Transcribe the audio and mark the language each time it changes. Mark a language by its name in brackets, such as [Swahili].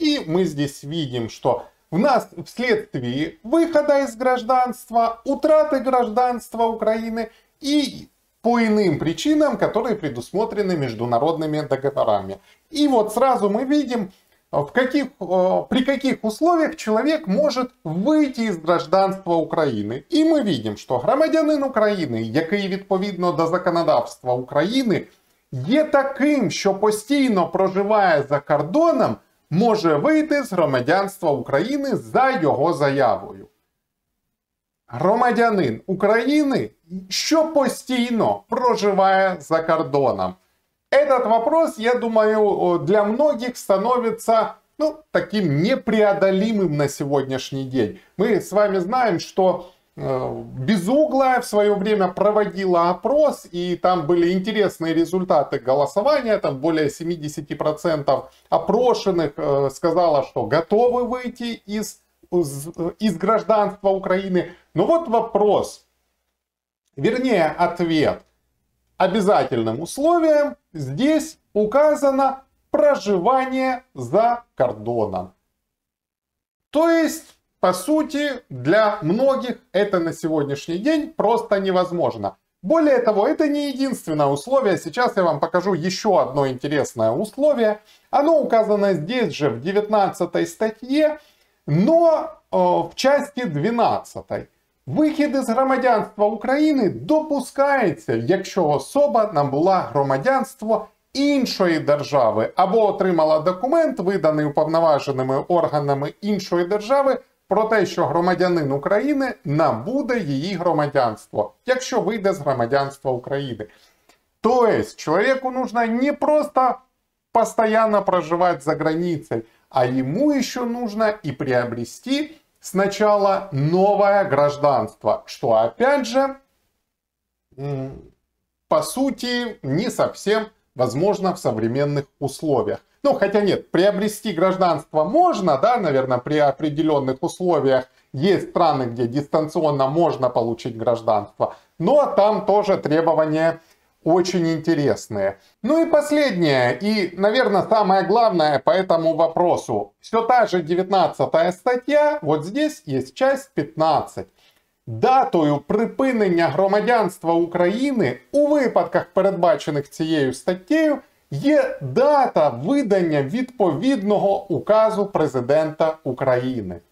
[Russian] И мы здесь видим, что у нас вследствие выхода из гражданства, утраты гражданства Украины и по иным причинам, которые предусмотрены международными договорами. И вот сразу мы видим, при каких условиях человек может выйти из гражданства Украины. [Ukrainian] И мы видим, что громадянин України, який відповідно до законодавства України, є таким, що постійно проживає за кордоном, може вийти з громадянства України за його заявою. Громадянин України, що постійно проживає за кордоном. [Russian] Этот вопрос, я думаю, для многих становится, ну, таким непреодолимым на сегодняшний день. Мы с вами знаем, что Безуглая в свое время проводила опрос, и там были интересные результаты голосования, там более 70% опрошенных сказала, что готовы выйти из гражданства Украины. Но вот вопрос, вернее ответ, обязательным условием здесь указано проживание за кордоном. То есть, по сути, для многих это на сегодняшний день просто невозможно. Более того, это не единственное условие. Сейчас я вам покажу еще одно интересное условие. Оно указано здесь же в 19 статье, но в части 12. [Ukrainian] Выхід із громадянства України допускається, якщо особа набула громадянство іншої держави або отримала документ, виданий уповноваженими органами іншої держави, про те, що громадянин України набуде її громадянство, якщо вийде з громадянства України. Тобто, чоловіку потрібно не просто постійно проживати за границей, а йому ще потрібно і [Russian] приобрести сначала новое гражданство, что, опять же, по сути, не совсем возможно в современных условиях. Ну, хотя нет, приобрести гражданство можно, да, наверное, при определенных условиях. Есть страны, где дистанционно можно получить гражданство, но там тоже требования очень интересные. Ну и последнее, и, наверное, самое главное по этому вопросу. Все та же 19 статья, вот здесь есть часть 15. [Ukrainian] Датою припинення громадянства України у випадках, передбачених цією статтею, є дата видання відповідного указу президента України.